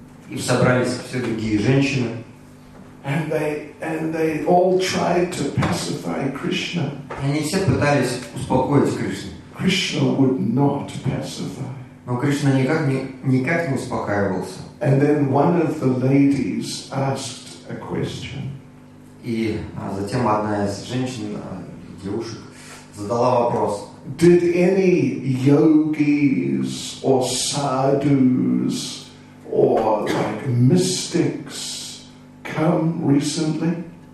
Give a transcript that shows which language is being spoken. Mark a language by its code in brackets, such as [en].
[ru] И собрались все другие женщины. [en] And they all tried to pacify Krishna. [ru] И они все пытались успокоить Кришну. [en] Krishna would not pacify. [ru] Но Кришна никак не успокаивался. [en] And then one of the ladies asked a question. [ru] И затем одна из женщин, девушек, задала вопрос. [en] Did any yogis or sadhus or like mystics come recently?